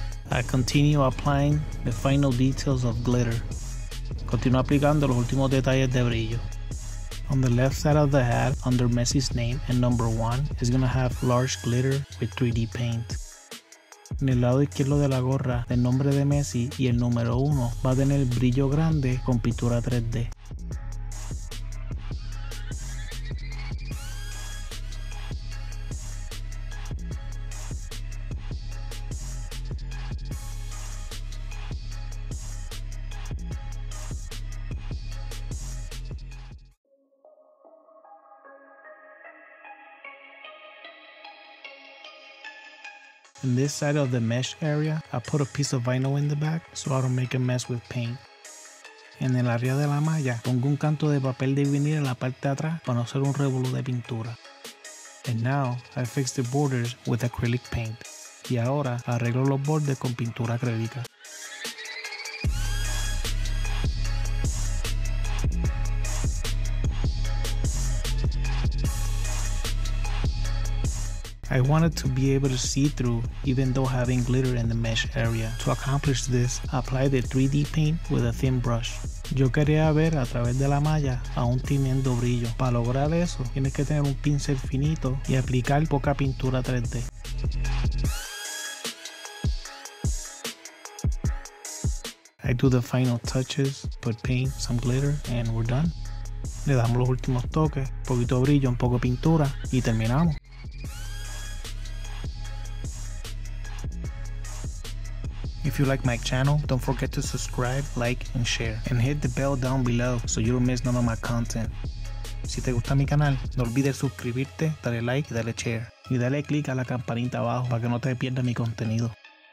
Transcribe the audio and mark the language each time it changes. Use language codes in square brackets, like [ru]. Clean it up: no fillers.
[en] I continue applying the final details of glitter. [es] Continúo aplicando los últimos detalles de brillo. [en] On the left side of the hat, under Messi's name and number 1, is gonna have large glitter with 3D paint. [es] En el lado izquierdo de la gorra, el nombre de Messi y el número 1 va a tener brillo grande con pintura 3D. [en] In this side of the mesh area, I put a piece of vinyl in the back so I don't make a mess with paint. [es] En el área de la malla, pongo un canto de papel de vinil en la parte de atrás para no hacer un revolú de pintura. [en] And now, I fix the borders with acrylic paint. [es] Y ahora, arreglo los bordes con pintura acrílica. [en] I wanted to be able to see through, even though having glitter in the mesh area. To accomplish this, apply the 3D paint with a thin brush. [es] Yo quería ver a través de la malla aún teniendo brillo. Para lograr eso, tienes que tener un pincel finito y aplicar poca pintura 3D. [en] I do the final touches, put paint, some glitter, and we're done. [es] Le damos los últimos toques, poquito brillo, un poco pintura, y terminamos. [en] If you like my channel, don't forget to subscribe, like, and share. And hit the bell down below so you don't miss none of my content. [es] Si te gusta mi canal, no olvides suscribirte, darle like y darle share. Y dale click a la campanita abajo para que no te pierdas mi contenido.